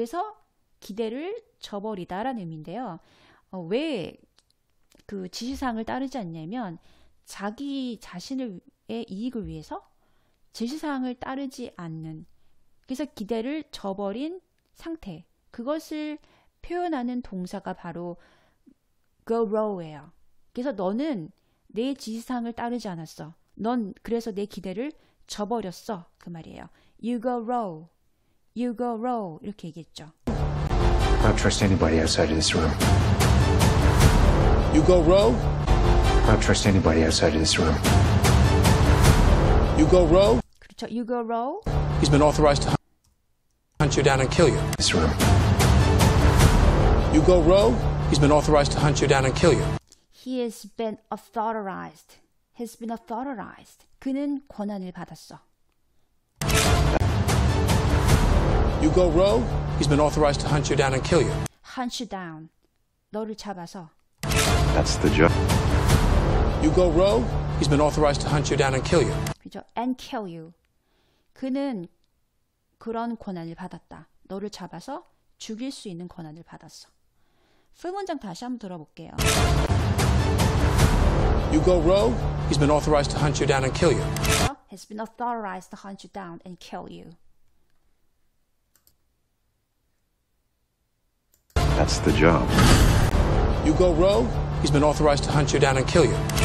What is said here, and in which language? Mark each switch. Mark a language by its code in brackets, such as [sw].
[ko] 그래서 기대를 저버리다라는 의미인데요. 왜 그 지시사항을 따르지 않냐면 자기 자신의 이익을 위해서 지시사항을 따르지 않는, 그래서 기대를 저버린 상태, 그것을 표현하는 동사가 바로 go row예요. 그래서 너는 내 지시사항을 따르지 않았어. 넌 그래서 내 기대를 저버렸어. 그 말이에요. [en] You go row. You go row. [ko] 이렇게 얘기했죠. [en] I don't trust anybody outside of this room. You go row. I don't trust anybody outside of this room. You go row. [ko] 그렇죠. [en] You go row. He's been authorized to hunt you down and kill you. This room. You go rogue. He's been authorized to hunt you down and kill you. He has been authorized. He's been authorized. [ko] 그는 권한을 받았어. [en] You go rogue. He's been authorized to hunt you down and kill you. Hunt you down. [ko] 너를 잡아서. [en] That's the job. You go rogue. He's been authorized to hunt you down and kill you. [ko] 그죠? [en] And kill you. [ko] 그는 그런 권한을 받았다. 너를 잡아서 죽일 수 있는 권한을 받았어. 풀 문장 다시 한번 들어볼게요. [en] You go rogue. He's been authorized to hunt you down and kill you. He's been authorized to hunt you down and kill you. That's the job. You go rogue. He's been authorized to hunt you down and kill you.